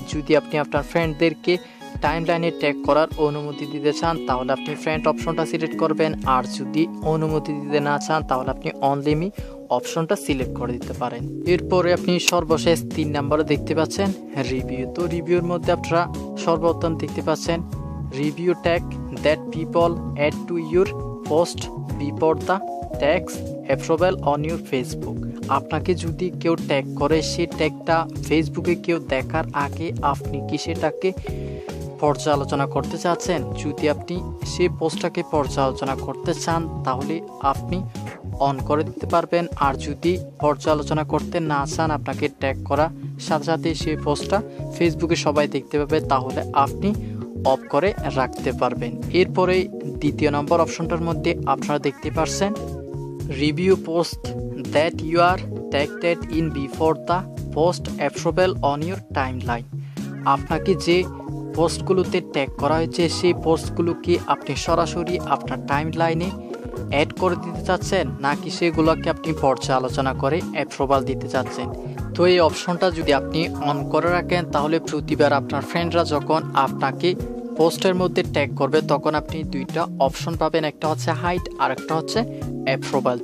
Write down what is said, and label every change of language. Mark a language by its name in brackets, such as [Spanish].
[Bangla] যদি আপনি আপনার ফ্রেন্ডদেরকে টাইম লাইনে ট্যাগ করার অনুমতি দিতে চান তাহলে আপনি ফ্রেন্ড অপশনটা সিলেক্ট করবেন, আর যদি অনুমতি দিতে না চান তাহলে আপনি অনলি মি অপশনটা সিলেক্ট করে দিতে পারেন। এরপরে আপনি সর্বশেষ তিন নাম্বারে দেখতে পাচ্ছেন রিভিউ। তো রিভিউর মধ্যে আপনারা সর্বোত্তম দেখতে পাচ্ছেন review tag [English] that people add to your post before the tags available on your Facebook. [Bangla] আপনাকে যদি কেউ ট্যাগ করে সেই ট্যাগটা ফেসবুকে কেউ দেখার আগে আপনি কি সেটাকে পর্যালোচনা করতে চাচ্ছেন? যদি আপনি সেই পোস্টটাকে পর্যালোচনা করতে চান তাহলে আপনি অন করে দিতে পারবেন, আর যদি পর্যালোচনা করতে না চান আপনাকে ট্যাগ করা সাথে সাথে সেই পোস্টটা ফেসবুকে সবাই দেখতে পাবে তাহলে আপনি অফ করে রাখতে পারবেন। এরপরে দ্বিতীয় নম্বর অপশনটার মধ্যে আপনারা দেখতে পাচ্ছেন review post [English] that you are tagged in before the post available on your timeline. [Bangla] আপনাকে যে পোস্টগুলোতে ট্যাগ করা হয়েছে সেই পোস্টগুলোকে আপনি সরাসরি আপনার টাইমলাইনে অ্যাড করে দিতে চাচ্ছেন নাকি সেগুলোকে আপনি পর্যালোচনা করে অ্যাপ্রুভাল দিতে চাচ্ছেন? তো এই অপশনটা যদি আপনি অন করে রাখেন তাহলে প্রতিবার আপনার ফ্রেন্ডরা যখন আপনাকে পোস্টের মধ্যে ট্যাগ করবে তখন আপনি দুইটা অপশন পাবেন, একটা হচ্ছে হাইড আর একটা হচ্ছে অ্যাপ্রুভাল।